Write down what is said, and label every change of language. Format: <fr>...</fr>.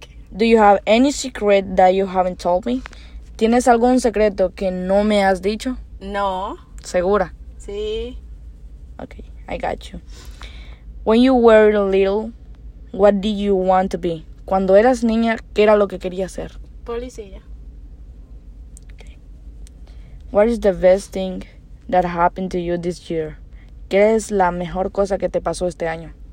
<en>Do you have any secret that you haven't told me?</en> <es>¿Tienes algún secreto que no me has dicho? No. ¿Segura? Sí.</es> <en>Okay, I got you. When you were little, what did you want to be?</en> <es>Cuando eras niña, ¿qué era lo que querías ser? Policía.</es> <en>Okay. What is the best thing that happened to you this year?</en> <es>¿Qué es la mejor cosa que te pasó este año?</es>